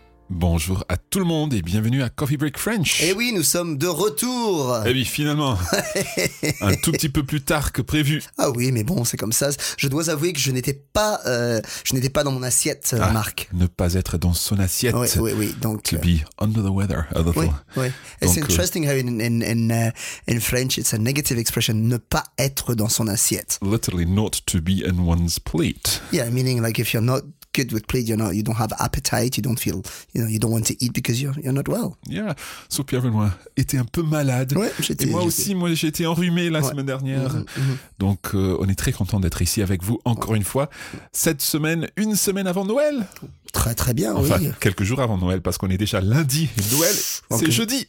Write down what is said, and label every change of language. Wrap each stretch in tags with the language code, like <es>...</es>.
<fr>Bonjour à tout le monde et bienvenue à Coffee Break French. Eh oui, nous sommes de retour. Eh oui, finalement. Un tout petit peu plus tard que prévu. Ah oui, mais bon, c'est comme ça. Je dois avouer que je n'étais pas dans mon assiette, Marc. Ne pas être dans son assiette. Oui, oui, oui. Donc,</fr> <en>to be under the weather a little. Oui, oui. It's interesting how in French it's a negative expression,</en> <fr>ne pas être dans son assiette.</fr> <en>Literally, not to be in one's plate. Yeah, meaning like if you're not good with plate, you're not, you don't have appetite, you don't feel, you know, you don't want to eat because you're not well. Yeah, so</en> <fr>Pierre Benoît était un peu malade. Ouais, j'étais, et moi aussi, moi j'ai été enrhumé la semaine dernière. Donc on est très content d'être ici avec vous encore une fois cette semaine, une semaine avant Noël. Très très bien, enfin, oui. Quelques jours avant Noël, parce qu'on est déjà lundi, et Noël c'est jeudi.</fr>